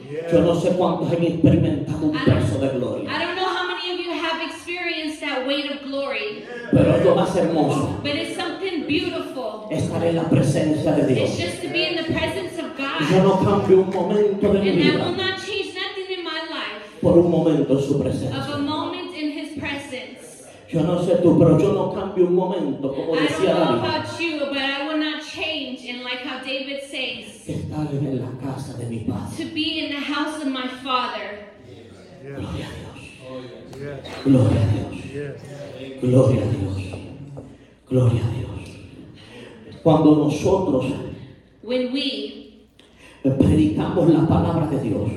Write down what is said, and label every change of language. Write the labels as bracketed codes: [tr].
[es] Yeah. Yo no sé cuántos han experimentado un peso de gloria. [en] I don't know how many of you have experienced that weight of glory. [es] Pero es lo más hermoso. [en] But it's something beautiful. [es] Estar en la presencia de Dios. [en] It's just to be in the presence of God. [es] Yo no cambio un momento de mi vida. [en] And I will not change nothing in my life. [es] Por un momento en su presencia. [en] Of a moment in his presence. [es] Yo no sé tú, pero yo no cambio un momento, como decía David. [en] I don't know about you, but I will not change. And like how David says, [es] estar en la casa de mi padre. [en] To be in the house of my father. [es] Yes. Gloria a Dios. [en] Oh, yes. [es] Gloria a Dios. [en] Yes. [es] Gloria a Dios. Gloria a Dios. Cuando nosotros predicamos la palabra de Dios,